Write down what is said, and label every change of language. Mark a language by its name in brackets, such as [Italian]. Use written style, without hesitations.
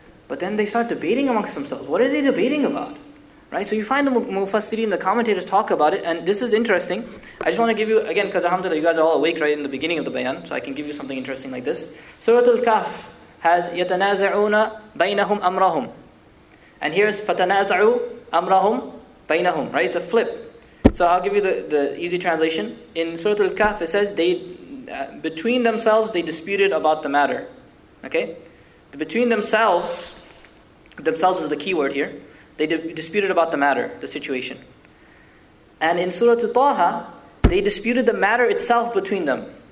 [English] But then they start debating amongst themselves. What are they debating about? Right? So you find the Mufassirin and the commentators talk about it. And this is interesting. I just want to give you, again, because alhamdulillah, you guys are all awake right in the beginning of the bayan. So I can give you something interesting like this. Surah Al-Kahf has, [Arabic] يَتَنَازَعُونَ بَيْنَهُمْ أَمْرَهُمْ. [English] And here's, [Arabic] فَتَنَازَعُوا أَمْرَهُمْ بَيْنَهُمْ. [English] Right? It's a flip. So I'll give you the easy translation. In Surah Al-Kahf, it says, between themselves, they disputed about the matter. Okay? Between themselves is the key word here. They disputed about the matter, the situation. And in Surah Taha, they disputed the matter itself between them.